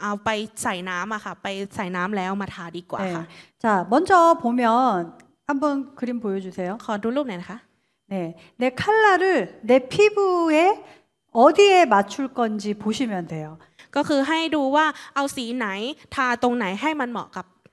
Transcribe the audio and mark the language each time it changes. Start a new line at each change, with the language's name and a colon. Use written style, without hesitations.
Thai: แต่ว่าฉันขอแนะนำให้ใช้ตัวฟองน้ำที่เราเอาไปใส่น้ำอะค่ะไปใส่น้ำแล้วมาทาดีกว่าค่ะ 네.
Korean: 자, 먼저 보면 한번 그림 보여주세요.
Thai: ขอดูรูปหน่อยนะคะ
Korean: 네, 내 컬러를 내 피부에 어디에 맞출 건지 보시면 돼요.
Thai: ก็คือให้ดูว่าเอาสีไหนทาตรงไหนให้มันเหมาะกับ